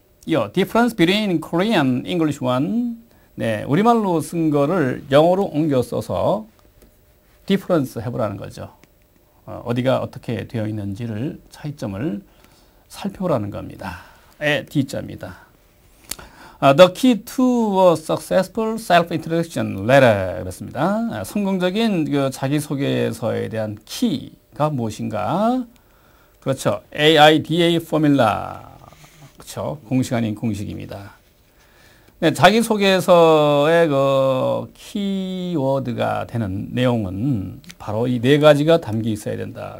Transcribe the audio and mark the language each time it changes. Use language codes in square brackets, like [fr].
[ko] 요, [en] difference between Korean English one. [ko] 네, 우리말로 쓴 거를 영어로 옮겨 써서 difference 해보라는 거죠. 어디가 어떻게 되어 있는지를 차이점을 살펴보라는 겁니다. 에, D자입니다. [en] The key to a successful self-introduction letter. [ko] 그렇습니다. 성공적인 그 자기소개서에 대한 키가 무엇인가? 그렇죠. AIDA 포뮬라. 그렇죠. 공식 아닌 공식입니다. 네, 자기소개서의 그 키워드가 되는 내용은 바로 이 네 가지가 담기 있어야 된다.